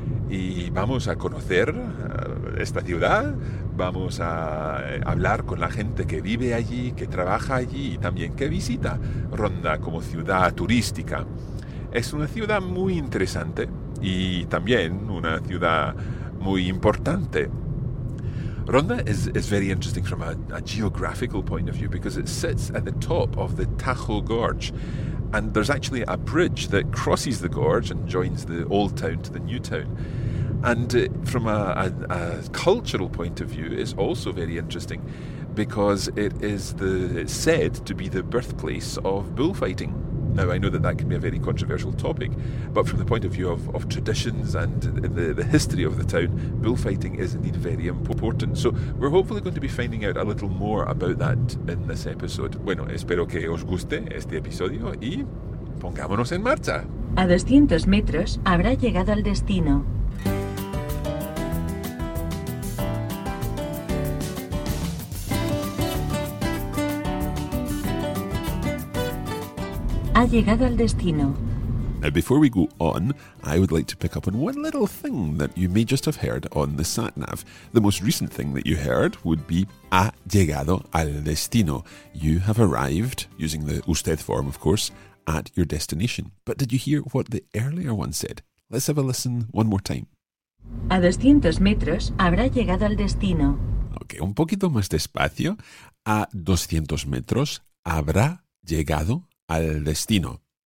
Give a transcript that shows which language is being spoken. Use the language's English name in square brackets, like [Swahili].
[Spanish] Y vamos a conocer esta ciudad, vamos a hablar con la gente que vive allí, que trabaja allí y también que visita Ronda como ciudad turística. Es una ciudad muy interesante y también una ciudad muy importante. [English] Ronda is very interesting from a geographical point of view because it sits at the top of the Tajo Gorge. And there's actually a bridge that crosses the gorge and joins the old town to the new town. And from a cultural point of view, it's also very interesting because it is said to be the birthplace of bullfighting. Now, I know that can be a very controversial topic, but from the point of view of traditions and the history of the town, bullfighting is indeed very important. So we're hopefully going to be finding out a little more about that in this episode. [Spanish] Bueno, espero que os guste este episodio y pongámonos en marcha. A 200 metros habrá llegado al destino. Ha llegado al destino. [English] Now, before we go on, I would like to pick up on one little thing that you may just have heard on the sat-nav. The most recent thing that you heard would be [Spanish] ha llegado al destino. [English] You have arrived, using the usted form, of course, at your destination. But did you hear what the earlier one said? Let's have a listen one more time. [Spanish] A 200 metros habrá llegado al destino. Okay, un poquito más despacio. A 200 metros habrá llegado al destino.